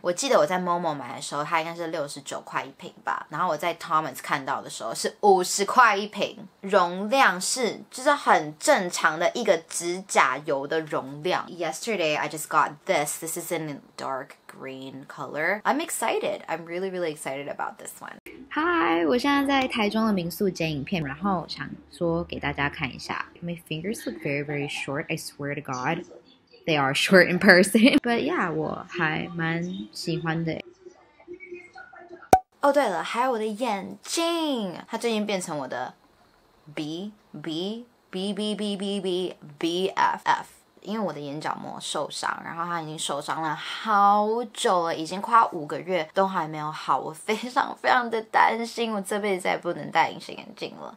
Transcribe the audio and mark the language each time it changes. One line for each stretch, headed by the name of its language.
Chinese: 我记得我在 Momo 买的时候它应该是69块一瓶吧，然后我在 Thomas 看到的时候是50块一瓶，容量是就是很正常的一个指甲油的容量。
English: Yesterday I just got this. This is in dark green color. I'm excited. I'm really really excited about this one.
Chinese: Hi， 我现在在台中的民宿剪影片，然后想说给大家看一下。
English: My fingers look very very short. I swear to God they are short in person. But yeah，
Chinese: 我还蛮喜欢的。哦、oh, 对了，还有我的眼镜，它最近变成我的 BFF， 因为我的眼角膜受伤，然后它已经受伤了好久了，已经快5个月都还没有好，我非常非常的担心我这辈子再也不能戴隐形眼镜了。